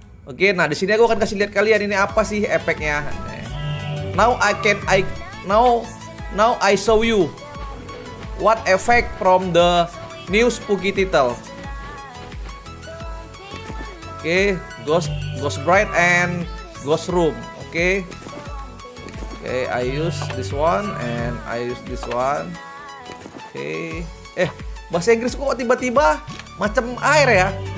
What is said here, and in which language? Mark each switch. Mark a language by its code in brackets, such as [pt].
[id] Nah di sini aku akan kasih lihat kalian ini apa sih efeknya. [en] Now I show you what effect from the new spooky title. Oke, ghost bright and ghost room. Oke. Okay, I use this one and I use this one. Oke. Okay. [id] Bahasa Inggris kok tiba-tiba macam air ya?